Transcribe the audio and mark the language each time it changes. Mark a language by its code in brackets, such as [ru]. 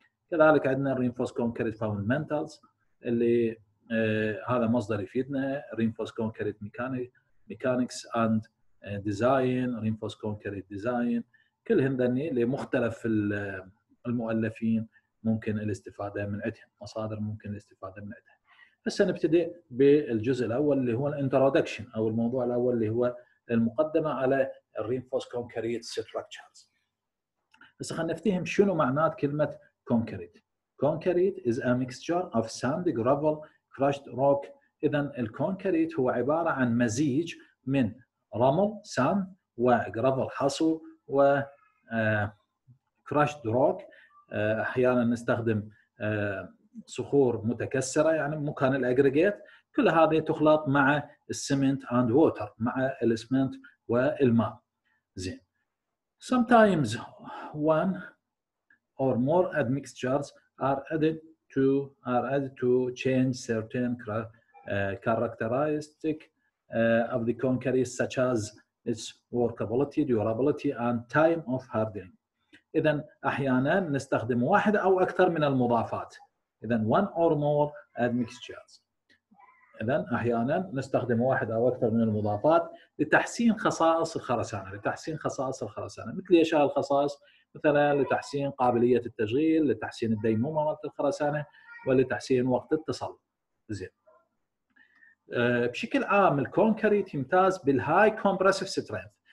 [ar] كذلك عندنا Reinforced Concrete Fundamentals اللي هذا مصدر يفيدنا، Reinforced Concrete Mechanics and Design، Reinforced Concrete Design، كل هنذني لمختلف المؤلفين ممكن الاستفادة من عدها، مصادر ممكن الاستفادة من عدها. بس نبتدئ بالجزء الأول اللي هو Introduction أو الموضوع الأول اللي هو المقدمة على Reinforced Concrete Structures. بس خلنا نفتهم شنو معنات كلمة Concrete. [en] Concrete is a mixture of sand, gravel, crushed rock. [ar] إذن الكونكريت هو عبارة عن مزيج من رمل سام وغرافل حصو و [en] crushed rock، [ar] أحيانا نستخدم صخور متكسرة يعني مكان الأجريجيت، كل هذه تخلط مع السمنت [en] and water، [ar] مع الاسمنت والماء. زين، [en] sometimes one or more admixtures are added to change certain characteristic of the concrete such as its workability, durability and time of hardening. [ar] إذن أحيانا نستخدم واحد أو أكثر من المضافات. إذن [en] one or more admixtures. [ar] إذن أحيانا نستخدم واحد أو أكثر من المضافات لتحسين خصائص الخرسانة. مثل إيش هالخصائص؟ مثلا لتحسين قابلية التشغيل، لتحسين الديمومة الخرسانة، ولتحسين وقت التصل. زين، بشكل عام الكونكريت يمتاز بالهاي كومبرسيف سترينث.